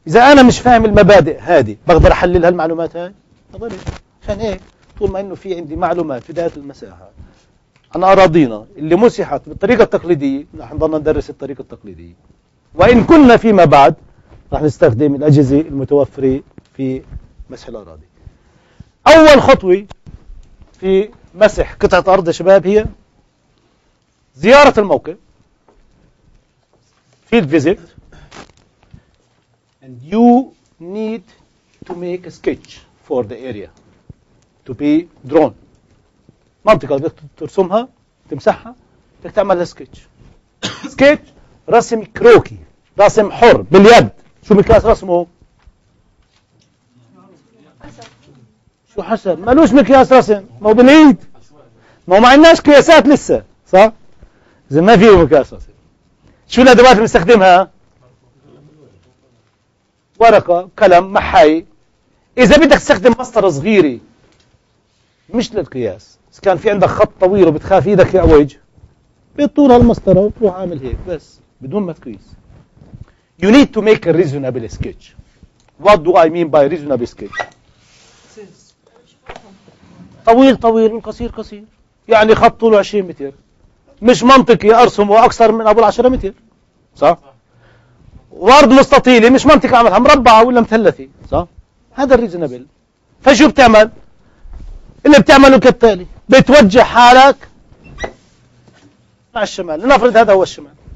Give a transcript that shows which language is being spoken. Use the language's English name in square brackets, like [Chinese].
[Arabic] إذا أنا مش فاهم المبادئ هذه بقدر أحلل هالمعلومات هاي؟ بقدر. عشان إيه؟ طول ما إنه في عندي معلومات في هذه المساحة عن أراضينا اللي مسحت بالطريقة التقليدية، نحن ضلنا ندرس الطريقة التقليدية، وإن كنا فيما بعد راح نستخدم الأجهزة المتوفرة في مسح الأراضي. أول خطوة في مسح قطعة أرض يا شباب هي زيارة الموقع [English] field visit and you need to make a sketch for the area to be drawn. [Arabic] منطقة بدك ترسمها تمسحها بدك تعمل لها سكتش. سكتش رسم كروكي، رسم حر باليد. شو مقياس رسمه؟ شو حسب؟ مالوش مقياس رسم، ما هو باليد، ما هو ما عندناش قياسات لسه صح؟ إذا ما فيه مقياس رسم شو الأدوات اللي بنستخدمها؟ ورقة، قلم، محاي. إذا بدك تستخدم مسطرة صغيرة مش للقياس، إذا كان في عندك خط طويل وبتخاف إيدك يعوج بطول هالمسطرة وتروح عامل هيك بس بدون ما تقيس. [English] You need to make a reasonable sketch. What do I mean by reasonable sketch? [Arabic] طويل طويل من قصير قصير، يعني خط طوله 20 متر. مش منطقي أرسمه أكثر من أبو 10 متر صح؟ وأرض مستطيلة مش منطقي أعملها مربعة ولا مثلثي صح؟ هذا الريزنبل. فشو بتعمل؟ اللي بتعمله كالتالي، بتوجه حالك مع الشمال. لنفرض هذا هو الشمال.